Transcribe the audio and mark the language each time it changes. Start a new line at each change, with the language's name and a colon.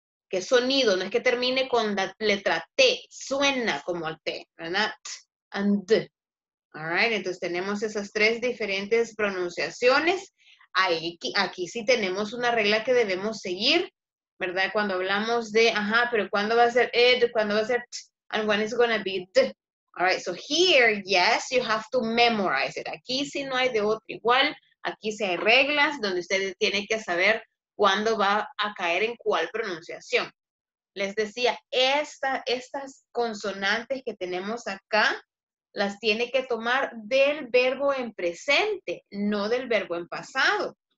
Spanish: Que sonido, no es que termine con la letra T, suena como el T, ¿verdad?
English: T and D. All right,
Spanish: entonces tenemos esas tres diferentes pronunciaciones. Aquí sí tenemos una regla que debemos seguir, ¿verdad? Cuando hablamos de, ajá, pero ¿cuándo va a ser ed? ¿Cuándo va a ser T?
English: And when is it gonna be D? All right, so here, yes, you have to memorize it.
Spanish: Aquí sí no hay de otro igual. Aquí sí hay reglas donde ustedes tienen que saber cuándo va a caer en cuál pronunciación. Les decía, estas consonantes que tenemos acá, las tiene que tomar del verbo en presente, no del verbo en pasado.